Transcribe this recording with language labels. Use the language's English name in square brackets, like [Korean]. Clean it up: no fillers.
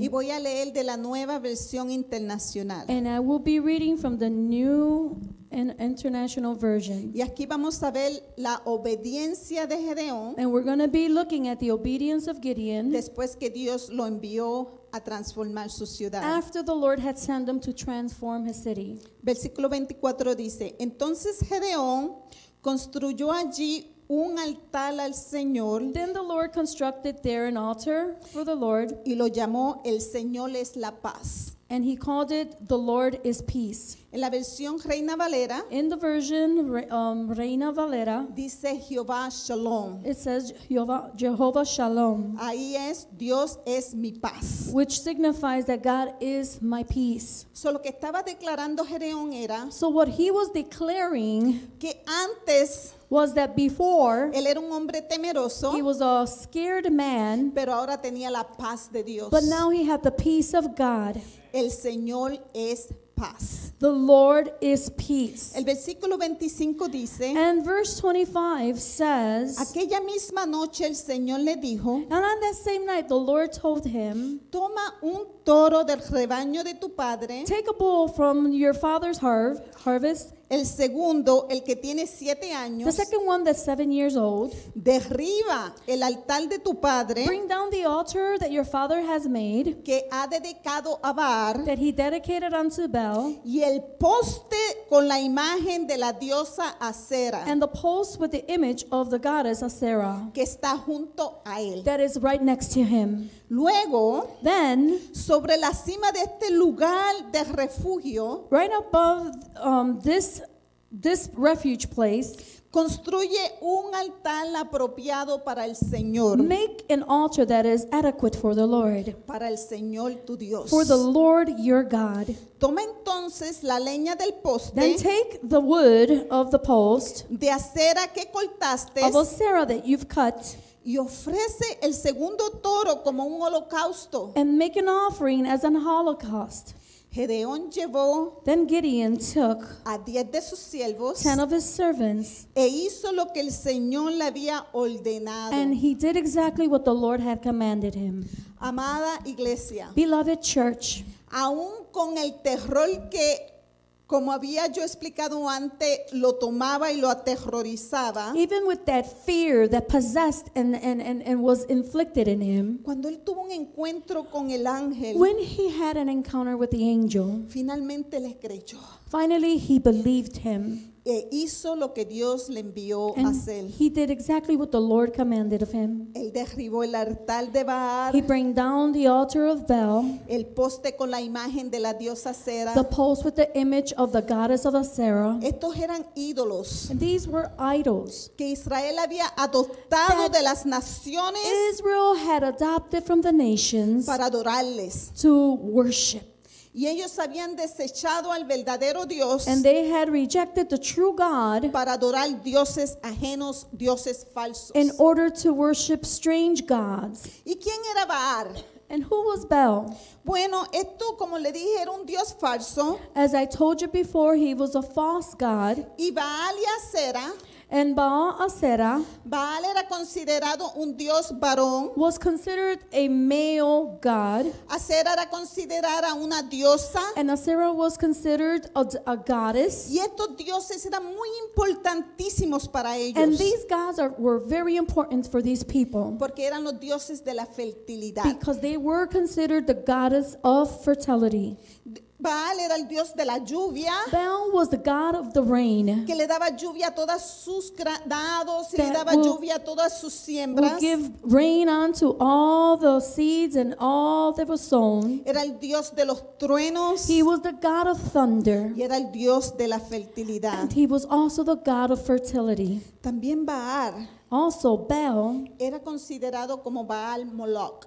[Spanish] y voy a leer de la Nueva Versión Internacional, [English] and I will be reading from the New International Version, [Spanish] y aquí vamos a ver la obediencia de Gedeón, [English] and we're going to be looking at the obedience of Gideon, [Spanish] después que Dios lo envió a transformar su ciudad. [English] After the Lord had sent them to transform his city. [Spanish] Versículo 24 dice, entonces Gedeón construyó allí un altar al Señor. [English] Then the Lord constructed there an altar for the Lord. [Spanish] Y lo llamó el Señor es la paz. [English] And he called it the Lord is peace. [Spanish] En la versión Reina Valera, [English] in the version Reina Valera, [Spanish] dice Jehová Shalom. [English] It says Jehovah Shalom. [Spanish] Ahí es Dios es mi paz. [English] Which signifies that God is my peace. [Spanish] So lo que estaba declarando Gedeón era, [English] so what he was declaring, [Spanish] que antes, [English] was that before, [Spanish] él era un hombre temeroso, [English] he was a scared man, [Spanish] pero ahora tenía la paz de Dios. [English] But now he had the peace of God. [Spanish] El Señor es paz. [English] The Lord is peace. [Spanish] El versículo 25 dice, [English] and verse 25 says, [Spanish] aquella misma noche el Señor le dijo, [English] and on that same night the Lord told him, [Spanish] toma un toro del rebaño de tu padre, [English] take a bull from your father's harvest, [Spanish] el segundo, el que tiene 7 años, [English] the second one that's 7 years old, [Spanish] derriba el altar de tu padre, [English] bring down the altar that your father has made, [Spanish] que ha dedicado a Baal, [English] that he dedicated unto Baal, [Spanish] y el poste con la imagen de la diosa Asera, [English] and the post with the image of the goddess Asera, [Spanish] que está junto a él, [English] that is right next to him. [Spanish] Luego, [English] then, [Spanish] sobre la cima de este lugar de refugio, [English] right above this refuge place, [Spanish] construye un altar apropiado para el Señor, [English] make an altar that is adequate for the Lord, [Spanish] para el Señor tu Dios, [English] for the Lord your God. [Spanish] Toma entonces la leña del poste, [English] then take the wood of the post, [Spanish] de acera que cortaste, [English] of acera that you've cut, [Spanish] y ofrece el segundo toro como un holocausto, [English] and make an offering as an holocaust. [Spanish] Gedeón llevó, [English] then Gideon took, [Spanish] a 10 de sus siervos, [English] 10 of his servants, [Spanish] e hizo lo que el Señor le había ordenado, [English] and he did exactly what the Lord had commanded him. [Spanish] Amada iglesia, [English] beloved church, [Spanish] aún con el terror que Como había yo explicado antes, lo tomaba y lo aterrorizaba. [English] Even with that fear that possessed and was inflicted in him. [Spanish] Cuando él tuvo un encuentro con el ángel. [English] When he had an encounter with the angel. [Spanish] Finalmente le creyó. [English] Finally he believed him. [Spanish] E hizo lo que Dios le envió a hacer. [English] He did exactly what the Lord commanded of him. [Spanish] Él derribó el altar de Baal. [English] He brought down the altar of Baal. [Spanish] El poste con la imagen de la diosa Sera. [English] The post with the image of the goddess of Asera. [Spanish] Estos eran ídolos. [English] And these were idols. [Spanish] Que Israel había adoptado de las naciones. [English] Israel had adopted from the nations. [Spanish] Para adorarles. [English] To worship. [Spanish] Y ellos habían desechado al verdadero Dios. [English] And they had rejected the true God. [Spanish] Para adorar dioses ajenos, dioses falsos. [English] In order to worship strange gods. [Spanish] ¿Y quién era Baal? [English] And who was Baal? [Spanish] Bueno, esto, como le dije, era un dios falso. [English] As I told you before, he was a false god. [Spanish] Y Baal y Asera. [English] And Baal Asera. [Spanish] Baal era considerado un dios varón. [English] Was considered a male god. [Spanish] Asera era considerada una diosa. [English] And Asera was considered a goddess. [Spanish] Y estos dioses eran muy importantísimos para ellos. [English] And these gods were very important for these people. [Spanish] Porque eran los dioses de la fertilidad. [English] Because they were considered the goddess of fertility. [Spanish] Baal era el dios de la lluvia. [English] Baal was the god of the rain. [Spanish] Que le daba lluvia a todas sus granados y le daba lluvia a todas sus siembras. [English] Would give rain unto all the seeds and all that was sown. [Spanish] Era el dios de los truenos. [English] He was the god of thunder. [Spanish] Y era el dios de la fertilidad. [English] And he was also the god of fertility. [Spanish] También Baal. [English] Also, Baal [Spanish] era considerado como Baal Moloch.